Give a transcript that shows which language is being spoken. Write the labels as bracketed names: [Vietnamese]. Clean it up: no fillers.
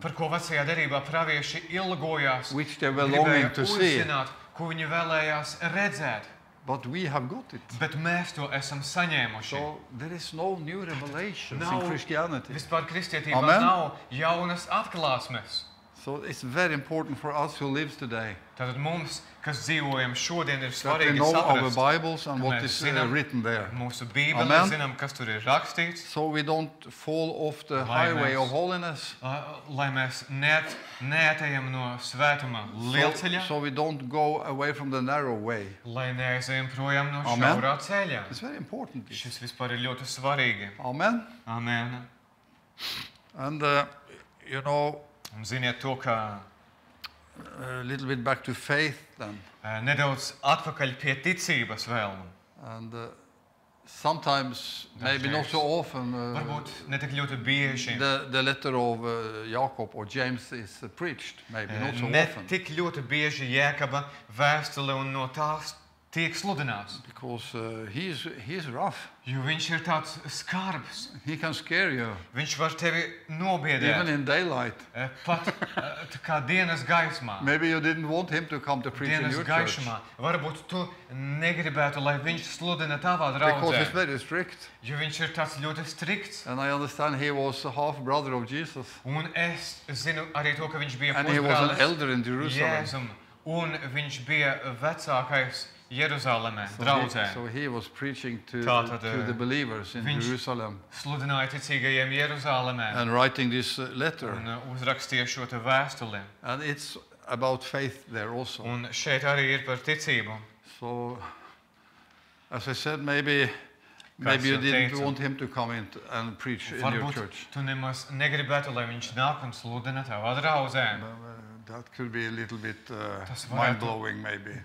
[Latvian] Par ko vecajā derībā pravieši ilgojās. [English] Which they were longing to see. [Latvian] Ko viņi vēlējās redzēt. [English] But we have got it. [Latvian] Bet mēs to esam saņēmuši. [English] So there is no new revelation in Christianity. [Latvian] Vispār kristietībā Amen. Nav jaunas atklāsmes. [English] So it's very important for us who lives today. [Latvian] Tātad mums, kas dzīvojam šodien, ir svarīgi [English] that we know [Latvian] saprast, [English] our Bibles and what is written there. [Latvian] Mūsu Bībeli, Amen. Zinām, kas tur ir rakstīts. [English] So we don't fall off the highway of holiness. [Latvian] Lai mēs neatejam no svētuma lielceļa. [English] So we don't go away from the narrow way. [Latvian] Lai neaizejam projām no šaurā ceļa. [English] It's very important. [Latvian] Šis vispār ir ļoti svarīgi. Amen. [English] Amen. And, you know, [Latvian] Un ziniet to, ka [English] a little bit back to faith then. [Latvian] Nedaudz atpakaļ pie ticības vēl. [English] And sometimes maybe not so often [Latvian] varbūt ne tik ļoti bieži [English] the letter of Jakob or James is preached maybe not so often. [Latvian] Ne tik ļoti bieži Jēkaba vēstule un no tās tiek sludināts. [English] Because he is rough. [Latvian] Jo viņš ir tāds skarbs. [English] He can scare you. [Latvian] Viņš var tevi nobiedēt. [English] Even in daylight. [Latvian] Pat tā kā dienas gaismā. [English] Maybe you didn't want him to come to preach in your [Latvian] gaismā. [English] Church. [Latvian] Varbūt tu negribētu, lai viņš sludina tavā draudzē. [English] Because he's very strict. [Latvian] Jo viņš ir tāds ļoti strikts. [English] And I understand he was a half brother of Jesus. [Latvian] Un es zinu arī to, ka viņš bija [English] And he was an elder in Jerusalem. [Latvian] Jēzum. Un viņš bija vecākais Jeruzalemē, draudzē. [English] So he was preaching to the believers in Jerusalem. [Latvian] Sludināja ticīgajiem Jeruzalemē. [English] And writing this letter. [Latvian] Un uzrakstīja šo te vēstuli. [English] And it's about faith there also. [Latvian] Un šeit arī ir par ticību. [English] So, as I said, maybe you didn't [Latvian] teicu, [English] want him to come in and preach in your church. [Latvian] Tu nemaz negribētu, lai viņš nāk un sludina tavā draudzē. [English] That could be a little bit mind-blowing, maybe.